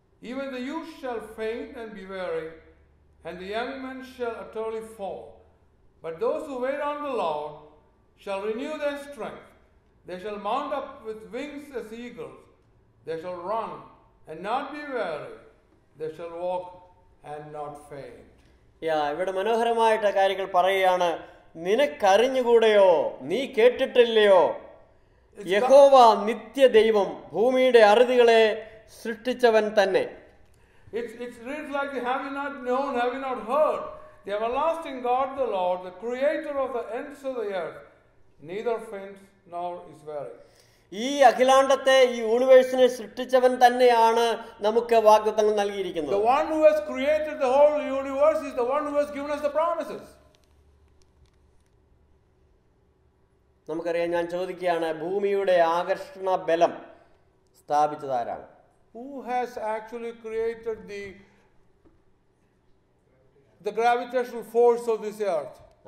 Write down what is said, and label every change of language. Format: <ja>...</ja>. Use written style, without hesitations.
<en>Even the youth shall faint and be weary, and the young men shall utterly fall. But those who wait on the Lord shall renew their strength. They shall mount up with wings as eagles. They shall run and not be weary. They shall walk and not faint.</en> <ml>Yeah, ഇവിടെ മനോഹരമായിട്ട് കാര്യങ്ങൾ പറയുകയാണ്. നിനക്കറിഞ്ഞുകൂടയോ, നീ കേട്ടിട്ടില്ലയോ, യഹോവ നിത്യ ദൈവം, ഭൂമിയുടെ അറുതികളെ സൃഷ്ടിച്ചവൻ തന്നെ.</ml> <en>It's reads like, have you not known, have you not heard? The everlasting God, the Lord, the creator of the ends of the earth, neither faints nor is weary.</en> <ml>ഈ അഖിലാണ്ടത്തെ, ഈ യൂണിവേഴ്സിനെ സൃഷ്ടിച്ചവൻ തന്നെയാണ് നമുക്ക് വാഗ്ദത്തങ്ങൾ നൽകിയിരിക്കുന്നത്.</ml> <en>The one who has created the whole universe is the one who has given us the promises.</en> <ml>നമുക്കറിയാം, ഞാൻ ചോദിക്കുകയാണ്, ഭൂമിയുടെ ആകർഷണ ബലം സ്ഥാപിച്ചത് ആരാണ്?</ml> <en>Who has actually created the gravitational force of this earth?</en>